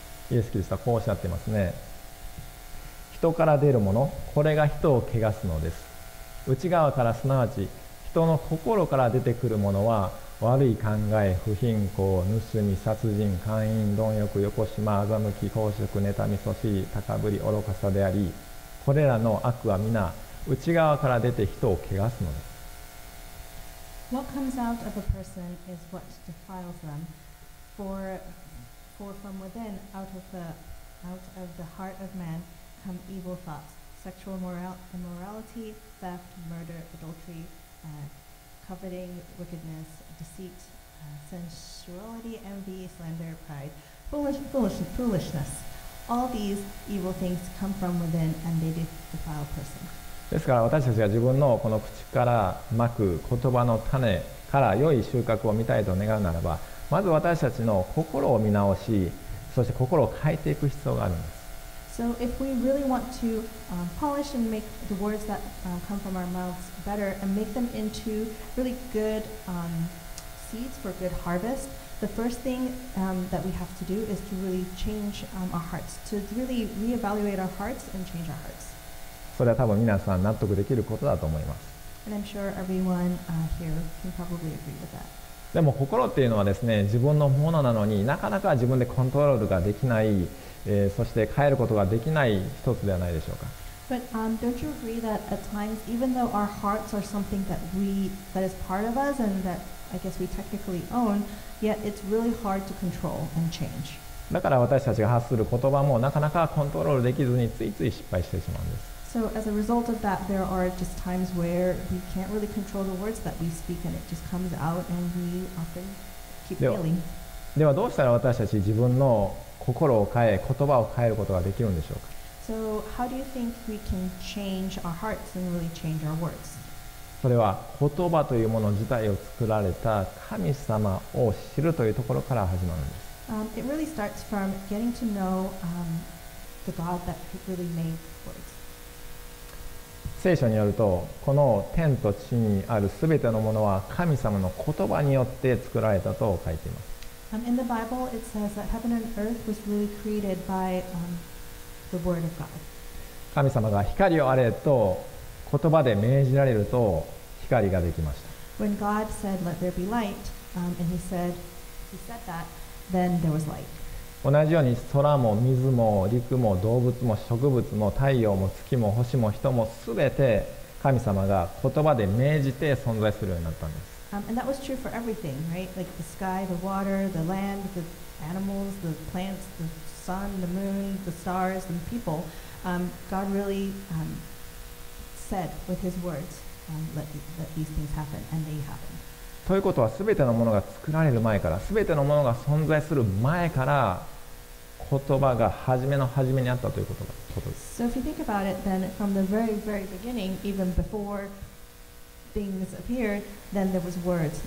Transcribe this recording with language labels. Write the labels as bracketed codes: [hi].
[ja] イエス・キリストはこうおっしゃってますね。人から出るもの、これが人を汚すのです。内側から、すなわち人の心から出てくるものは、悪い考え、不貧困、盗み、殺人、姦淫、貪欲、よこしま、欺き、公職、妬み、そしり、高ぶり、愚かさであり、これらの悪は皆、内側から出て人を汚すのです。 [en] What comes out of a person is what defiles them. For from within, out of the heart of man, come evil thoughts, sexual immorality, theft, murder, adultery, coveting, wickedness, deceit, sensuality, envy, slander, pride, foolishness. All these evil things come from within and they defile a person. [ja] ですから私たちが自分のこの口からまく言葉の種から良い収穫を見たいと願うならば、まず私たちの心を見直し、そして心を変えていく必要があるんです。 [en] So if we really want to polish and make the words that come from our mouths better and make them into really good seeds for good harvest, the first thing that we have to do is to really change our hearts, to really reevaluate our hearts and change our hearts. [ja] それは多分皆さん納得できることだと思います。 [en] And I'm sure everyone, here can probably agree with that. [ja] でも心っていうのはですね、自分のものなのになかなか自分でコントロールができない、そして変えることができない一つではないでしょうか。 [en] But don't you agree that at times, even though our hearts are something that is part of us and that I guess we technically own, yet it's really hard to control and change. [ja] だから私たちが発する言葉もなかなかコントロールできずについつい失敗してしまうんです。 [en] So as a result of that, there are just times where we can't really control the words that we speak, and it just comes out, and we often keep failing. [ja] ではどうしたら私たち自分の心を変え、言葉を変えることができるんでしょうか。 [en] So how do you think we can change our hearts and really change our words? [ja] それは言葉というもの自体を作られた神様を知るというところから始まるんです。 [en] It really starts from getting to know the God that really made words. [ja] 聖書によると、この天と地にあるすべてのものは神様の言葉によって作られたと書いています。 [en] In the Bible, it says that heaven and earth was really created by the word of God. [ja] 神様が光をあれと言葉で命じられると光ができました。 [en] When God said, "Let there be light," and he said that, then there was light. [ja] 同じように空も水も陸も動物も植物も太陽も月も星も人もすべて神様が言葉で命じて存在するようになったんです。 [en] And that was true for everything, right? Like the sky, the water, the land, the animals, the plants, the sun, the moon, the stars, and people. God really said with his words, let these things happen, and they happened. [ja] ということは、すべてのものが作られる前から、すべてのものが存在する前から、言葉が初めの初めにあったということが、ことです。 [en] So if you think about it, then from the very, very beginning, even before things appeared, then there was words.